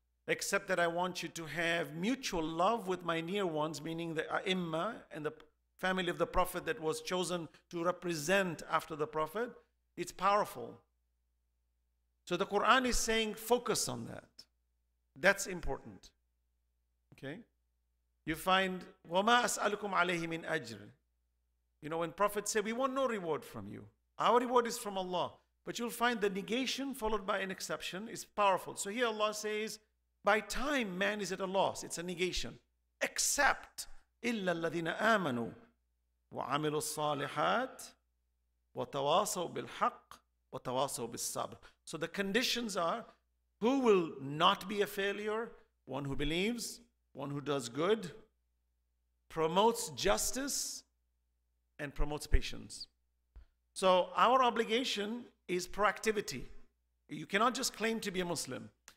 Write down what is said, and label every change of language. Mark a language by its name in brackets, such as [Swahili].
[English] Except that I want you to have mutual love with my near ones, meaning the A'imma and the family of the Prophet that was chosen to represent after the Prophet. It's powerful. So the Quran is saying, focus on that. That's important. Okay? You find, [Arabic] وَمَا أَسْأَلُكُمْ عَلَيْهِ مِنْ أَجْرٍ. [English] You know, when prophets say, we want no reward from you. Our reward is from Allah. But you'll find the negation followed by an exception is powerful. So here Allah says, by time man is at a loss. It's a negation. Except, [Arabic] إِلَّا الَّذِينَ آمَنُوا وَعَمِلُوا الصَّالِحَاتِ وَتَوَاصَوْا بِالْحَقِّ وَتَوَاصَوْا بِالصَّبْرِ. [English] So the conditions are, who will not be a failure? One who believes, one who does good, promotes justice, and promotes patience. So our obligation is proactivity. You cannot just claim to be a Muslim.